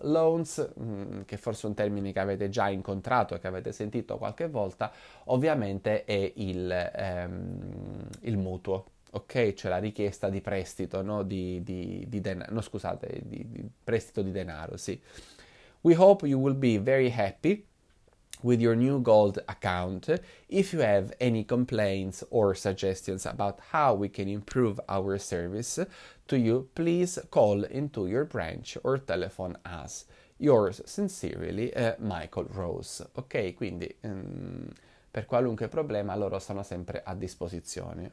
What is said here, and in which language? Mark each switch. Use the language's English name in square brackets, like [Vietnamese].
[Italian] Loans, che forse è un termine che avete già incontrato e che avete sentito qualche volta, ovviamente è il mutuo, ok? Cioè la richiesta di prestito, no? Di denaro, no, scusate, di prestito di denaro, sì. [English] We hope you will be very happy with your new gold account. If you have any complaints or suggestions about how we can improve our service to you, please call into your branch or telephone us. Yours sincerely, Michael Rose. [Italian] Ok, quindi per qualunque problema loro sono sempre a disposizione.